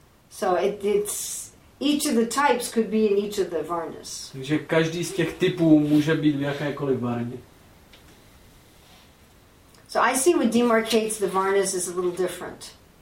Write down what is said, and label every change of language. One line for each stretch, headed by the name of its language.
English: So it's each of the types could be in each of the varnas.
Czech: Takže každý z těch typů může být v jakékoliv varně.
English: So I see what demarcates the varnas is a little different.